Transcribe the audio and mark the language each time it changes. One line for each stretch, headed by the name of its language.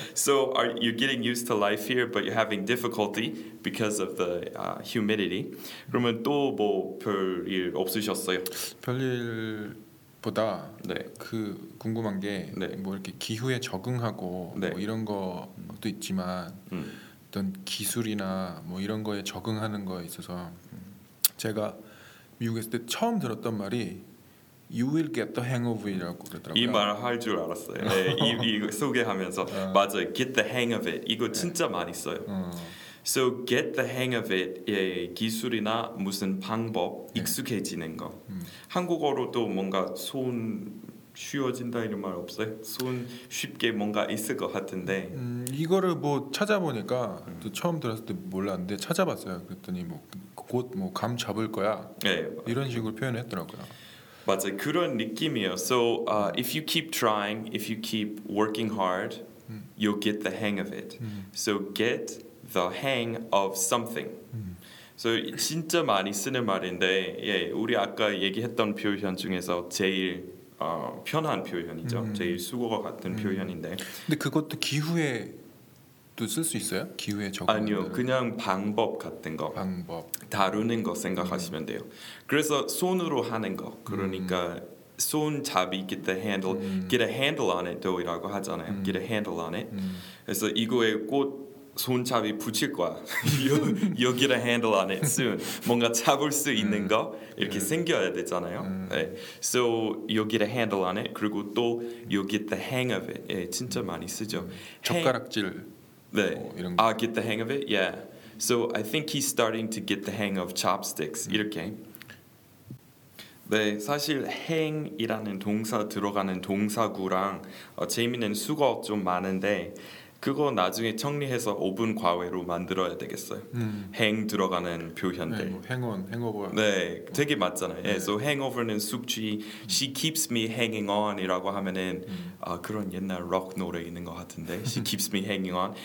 English: So are you getting used to life here, but you're having difficulty because of the humidity?
Korean: 그러면 또 뭐 별일 없으셨어요? 별일보다 네. 그 궁금한 게 뭐 네. 이렇게 기후에 적응하고 네. 뭐 이런 거도 있지만 어떤 기술이나 뭐 이런 거에 적응하는 거에 있어서 제가 미국에 있을 때 처음 들었던 말이
English: You will get the hang of it
Korean: 이라고 그러더라고요. 이 말 할 줄 알았어요. 네, 이 소개하면서 맞아요.
English: Get the hang of it.
Korean: 이거 진짜 네. 많이 써요.
English: So get the hang of it.
Korean: 예, 기술이나 무슨 방법 익숙해지는 거. 한국어로도 뭔가 손 쉬워진다 이런 말 없어요? 손 쉽게 뭔가 있을 것 같은데. 이거를 뭐 찾아보니까 또 처음 들었을 때 몰랐는데 찾아봤어요. 그랬더니 뭐 곧 뭐 감 잡을 거야. 네, 이런 식으로 표현했더라고요. 맞아 그런 느낌이에요.
English: So if you keep trying, if you keep working hard, you'll get the hang of it. So get the hang of something.
Korean: So 진짜 많이 쓰는 말인데, 예, 우리 아까 얘기했던 표현 중에서 제일 편한 표현이죠. 제일 수고가 같은 표현인데. 근데 그것도 기후에도 쓸 수 있어요? 기후에 적응. 아니요, 그냥 방법 같은 거. 방법. 다루는 거 생각하시면 돼요. 그래서 손으로 하는 거. 그러니까 손잡이
English: get the handle, get a handle on it
Korean: 이라고 하잖아요.
English: Get a handle on it.
Korean: 그래서 이거에 꼭 손잡이 붙일 거야.
English: You'll get a handle on it soon.
Korean: 뭔가 잡을 수 있는 거 이렇게 생겨야 되잖아요.
English: 네. So you'll get a handle on it.
Korean: 그리고 또
English: you'll get the hang of it.
Korean: 예, 진짜 많이 쓰죠. 젓가락질.
English: 네.
Korean: 뭐 이런 거.
English: Get the hang of it. Yeah. So I think he's starting to get the hang of chopsticks.
Korean: 이렇게. 네, 사실 hang이라는 동사 들어가는 동사구랑 재미있는 수거 좀 많은데. 그거 나중에 정리해서 5분 과외로 만들어야 되겠어요. Hang 들어가는 표현들. 네, 뭐
English: hang-on, hangover.
Korean: 네, 되게 맞잖아요. 네. 네. So hangover는 숙취,
English: she keeps me hanging on
Korean: 이라고 하면은 그런 옛날 rock 노래 있는 것 같은데 she keeps me hanging on.